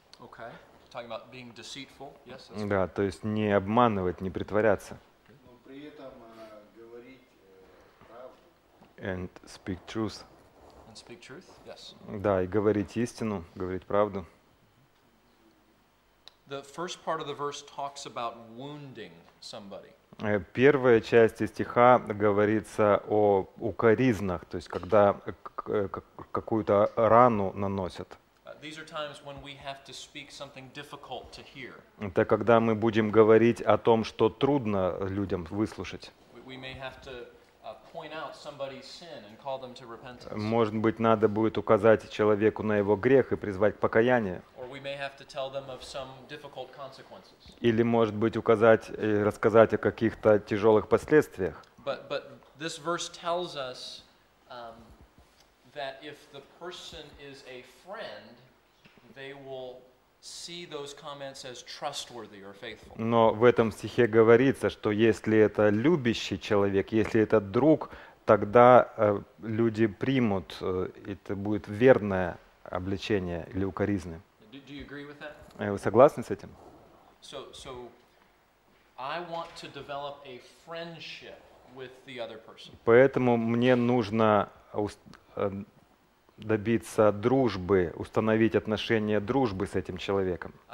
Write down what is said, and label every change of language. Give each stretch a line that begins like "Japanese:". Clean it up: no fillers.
English: Okay. You're talking about being deceitful, yes?
Russian: Да, right. То есть не обманывать, не притворяться. Но при этом говорить правду.
English: And speak truth. And speak truth, yes.
Russian: Да, и говорить истину, говорить правду.
English: The first part of the verse talks about wounding somebody.
Russian: Первая часть стиха говорится о укоризнах, то есть когда какую-то рану наносят.
English: These are times when we have to speak something difficult to hear.
Russian: Это когда мы будем говорить о том, что трудно людям выслушать.
English: We may have to point out somebody's sin and call them to repentance.
Russian: Может быть, надо будет указать человеку на его грех и призвать к покаянию.
English: Or we may have to tell them of some difficult consequences.
Russian: Или, может быть, указать, рассказать о каких-то тяжелых последствиях.
English: But this verse tells us that if the person is a friend, they will see those comments as trustworthy or faithful.
Russian: Но в этом стихе говорится, что если это любящий человек, если это друг, тогда люди примут, это будет верное обличение или укоризны.
English: Do you agree with that?
Russian: Вы согласны с этим?
English: So I want to develop a friendship with the other person.
Russian: Поэтому мне нужно добиться дружбы, установить отношения дружбы с этим человеком.